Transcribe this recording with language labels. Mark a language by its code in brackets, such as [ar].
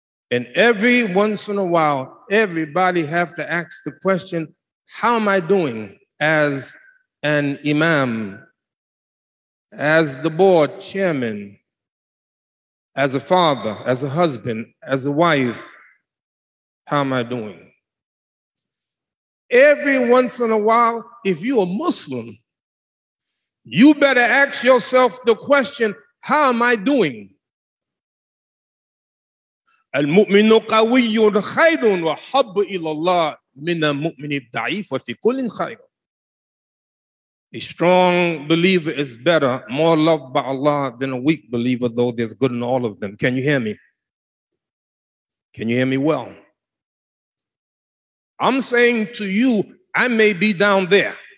[en] And every once in a while, everybody have to ask the question, how am I doing as an imam, as the board chairman, as a father, as a husband, as a wife, how am I doing? Every once in a while, if you're a Muslim, you better ask yourself the question, how am I doing? [ar] المؤمن قوي خير وحب إلى الله من المؤمن الضعيف وفي كل خير. [en] A strong believer is better, more loved by Allah than a weak believer, though there's good in all of them. Can you hear me? Can you hear me well? I'm saying to you, I may be down there.